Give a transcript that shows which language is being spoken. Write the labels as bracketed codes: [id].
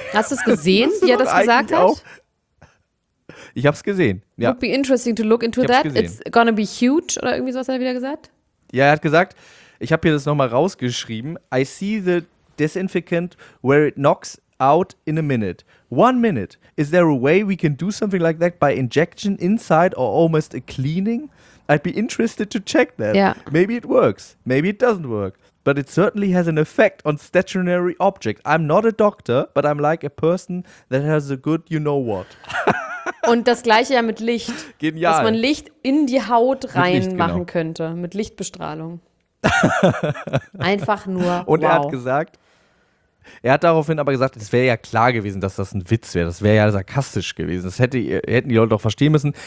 [de] Hast du es gesehen, wie er das gesagt hat? Auch, ich hab's gesehen, ja. [en] Would be interesting to look into that, it's gonna be huge, [de] oder irgendwie sowas hat er wieder gesagt? Ja, er hat gesagt, ich habe hier das nochmal rausgeschrieben, [en] I see the disinfectant where it knocks out in a minute. One minute. Is there a way we can do something like that by injection inside or almost a cleaning? I'd be interested to check that. Yeah. Maybe it works. Maybe it doesn't work. But it certainly has an effect on stationary objects. I'm not a doctor, but I'm like a person that has a good you know what. [de] Und das gleiche ja mit Licht. Genial. Dass man Licht in die Haut reinmachen könnte. Mit Lichtbestrahlung. Einfach nur und wow. Er hat gesagt, er hat daraufhin aber gesagt, es wäre ja klar gewesen, dass das ein Witz wäre. Das wäre ja sarkastisch gewesen. Das hätten die Leute auch verstehen müssen.